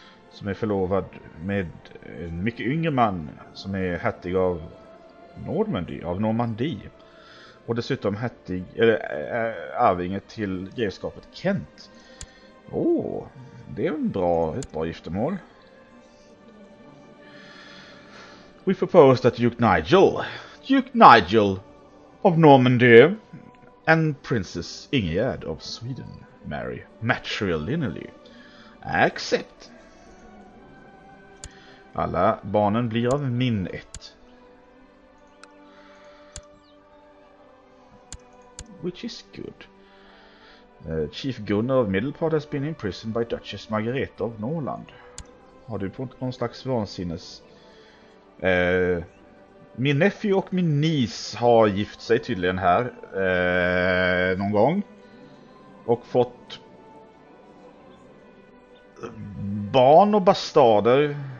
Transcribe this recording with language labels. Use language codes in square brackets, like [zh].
[sv] Som är förlovad med en mycket yngre man som är hertig av Normandie. Och dessutom hertig, eller arvinge till grevskapet Kent. Åh, det är ett bra giftermål. [en] We propose that Duke Nigel of Normandy and Princess Ingegärd of Sweden marry matrilineally. Accept. [sv] Alla barnen blir av min ett. [en] Which is good. Chief Gunnar of Middelpart has been imprisoned by Duchess Margareta of Norland. [sv] Har du fått någon slags vansinnes... Min nephew och min nis har gift sig tydligen här. Någon gång. Och fått... Barn och bastarder...